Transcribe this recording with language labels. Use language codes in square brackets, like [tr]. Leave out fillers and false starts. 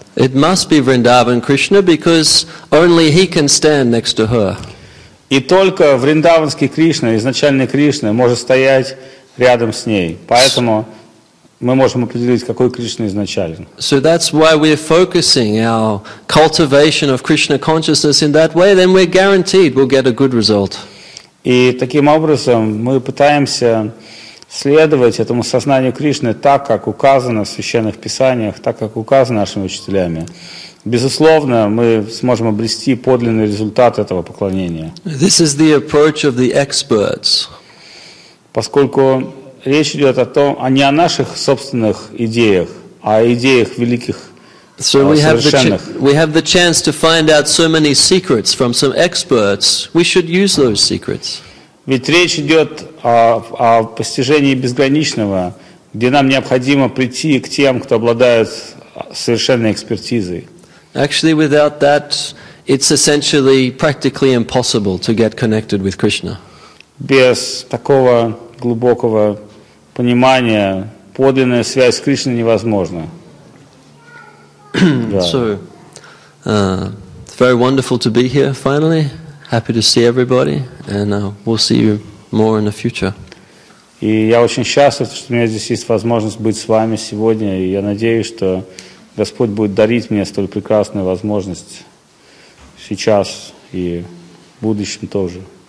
[en] It must be Vrindavan Krishna, because only he can stand next to her. [ru] И только Вриндаванский Кришна, изначальный Кришна, может стоять рядом с ней. Поэтому мы можем определить, какой Кришна изначален. [en] So that's why we're focusing our cultivation of Krishna consciousness in that way, then we're guaranteed we'll get a good result. [ru] И таким образом мы пытаемся следовать этому сознанию Кришны так, как указано в священных писаниях, так, как указано нашими учителями. Безусловно, мы сможем обрести подлинный результат этого поклонения. [en] This is the approach of the experts. [ru] Поскольку речь идет о том, а не о наших собственных идеях, а о идеях великих, совершенных. [en] We have the chance to find out so many secrets from some experts. We should use those secrets. [ru] Ведь речь идет о постижении безграничного, где нам необходимо прийти к тем, кто обладает совершенной экспертизой. [en] Actually, without that, it's essentially practically impossible to get connected with Krishna. [ru] Без такого глубокого понимания подлинная связь с Кришной невозможна. Да. [en] So, it's very wonderful to be here finally. Happy to see everybody, and we'll see you more in the future. [ru] И я очень счастлив, что у меня здесь есть возможность быть с вами сегодня, и я надеюсь, что Господь будет дарить мне столь прекрасную возможность сейчас и в будущем тоже.